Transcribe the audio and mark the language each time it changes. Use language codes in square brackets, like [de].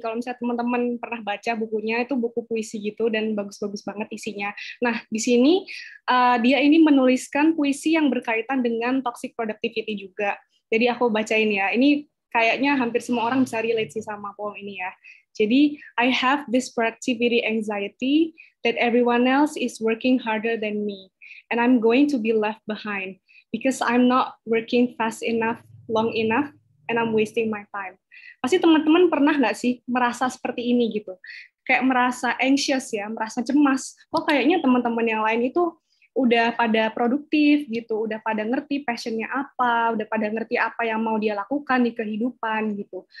[id] Kalau misalnya teman-teman pernah baca bukunya, itu buku puisi gitu dan bagus-bagus banget isinya. Nah, di sini dia ini menuliskan puisi yang berkaitan dengan toxic productivity juga. Jadi aku bacain ya, ini kayaknya hampir semua orang bisa relate sih sama poem ini ya. [en] Jadi, I have this productivity anxiety that everyone else is working harder than me, and I'm going to be left behind because I'm not working fast enough, long enough, and I'm wasting my time. [id] Pasti teman-teman pernah nggak sih merasa seperti ini gitu? Kayak merasa anxious ya, merasa cemas. Kok kayaknya teman-teman yang lain itu udah pada produktif gitu, udah pada ngerti passionnya apa, udah pada ngerti apa yang mau dia lakukan di kehidupan gitu.